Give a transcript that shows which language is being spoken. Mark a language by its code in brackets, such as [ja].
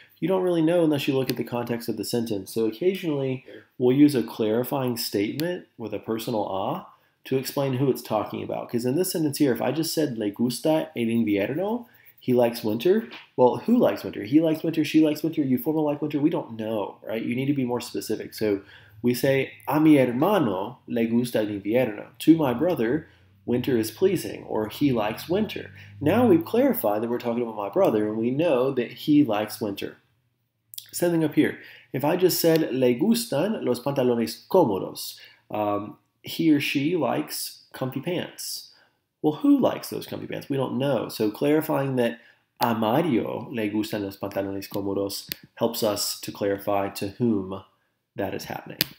[en] you don't really know unless you look at the context of the sentence. So occasionally we'll use a clarifying statement with a personal ah to explain who it's talking about. Because in this sentence here, if I just said, [es] le gusta el invierno, [en] he likes winter. Well, who likes winter? He likes winter, she likes winter, you formal like winter. We don't know, right? You need to be more specific. So we say, [es] a mi hermano le gusta el invierno. [en] To my brother, winter is pleasing, or he likes winter. Now we've clarified that we're talking about my brother, and we know that he likes winter. Same thing up here. If I just said, [es] le gustan los pantalones cómodos, [en] he or she likes comfy pants. Well, who likes those comfy pants? We don't know. So clarifying that [es] a Mario le gustan los pantalones cómodos [en] helps us to clarify to whom that is happening.